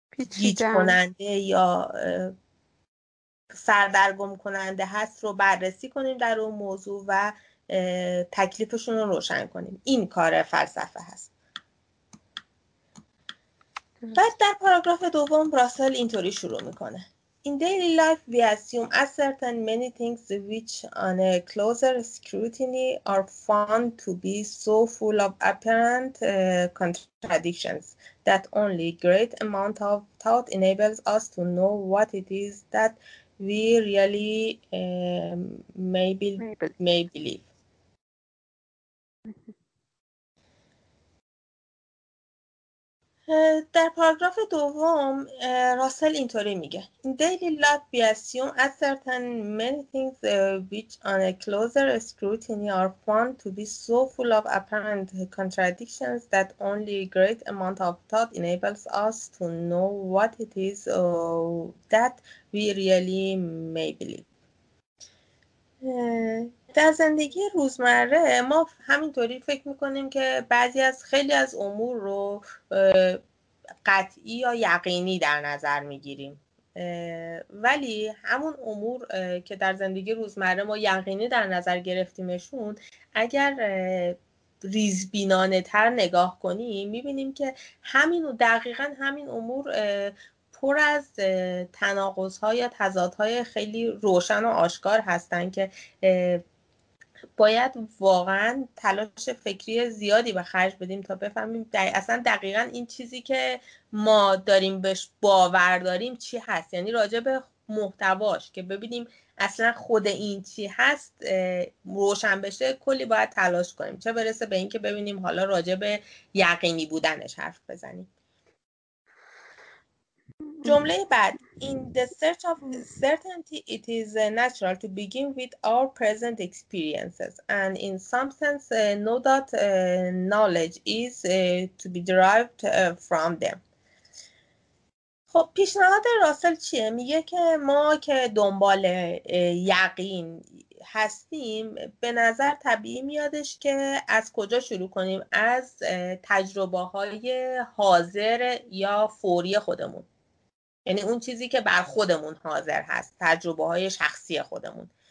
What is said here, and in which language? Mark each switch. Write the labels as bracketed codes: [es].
[fa] گیج کننده یا سردرگم کننده هست رو بررسی کنیم در اون موضوع و تکلیفشون رو روشن کنیم. این کار فلسفه هست. بعد در پاراگراف دوم راسل اینطوری شروع میکنه: [en] In daily life we assume ascertain many things which on a closer scrutiny are found to be so full of apparent contradictions that only great amount of thought enables us to know what it is that we really may believe. [fa] در پاراگراف دوم راسل اینطوری میگه: [en] In daily life we assume as certain many things which on a closer scrutiny are found to be so full of apparent contradictions that only a great amount of thought enables us to know what it is that we really may believe. [fa] در زندگی روزمره ما همینطوری فکر میکنیم که بعضی از خیلی از امور رو قطعی یا یقینی در نظر میگیریم، ولی همون امور که در زندگی روزمره ما یقینی در نظر گرفتیمشون، اگر ریزبینانه تر نگاه کنیم میبینیم که همین و دقیقا همین امور پر از تناقض‌ها یا تضادهای خیلی روشن و آشکار هستن که باید واقعا تلاش فکری زیادی به خرج بدیم تا بفهمیم اصلا دقیقا این چیزی که ما داریم بهش باور داریم چی هست. یعنی راجع به محتواش که ببینیم اصلا خود این چی هست روشن بشه، کلی باید تلاش کنیم، چه برسه به این که ببینیم حالا راجع به یقینی بودنش حرف بزنیم. جمله بعد، [en] in the search of certainty it is natural to begin with our present experiences and in some sense know that knowledge is to be derived from them. [fa] خب پیشنهاد راسل چیه؟ میگه که ما که دنبال یقین هستیم به نظر طبیعی میادش که از کجا شروع کنیم؟ از تجربه های حاضر یا فوری خودمون، یعنی اون چیزی که بر خودمون حاضر هست، تجربه های شخصی خودمون،